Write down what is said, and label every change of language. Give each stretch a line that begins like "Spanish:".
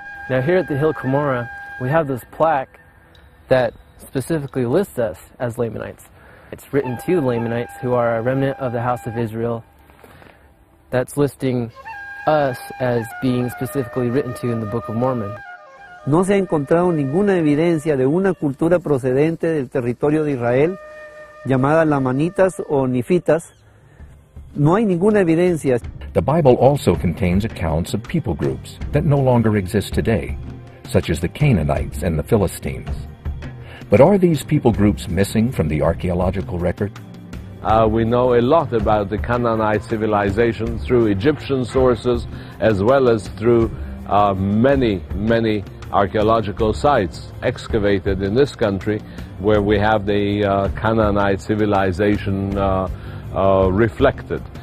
English: Now here at the Hill Cumorah, we have this plaque that specifically lists us as Lamanites. It's written to the Lamanites, who are a remnant of the House of Israel, that's listing us as being specifically written to in the Book of Mormon.
Spanish: No se ha encontrado ninguna evidencia de una cultura procedente del territorio de Israel llamada Lamanitas o Nifitas. No hay ninguna evidencia.
English: The Bible also contains accounts of people groups that no longer exist today, such as the Canaanites and the Philistines. But are these people groups missing from the archaeological record? We know a lot about the Canaanite civilization through Egyptian sources, as well as through many, many archaeological sites excavated in this country, where we have the Canaanite civilization reflected.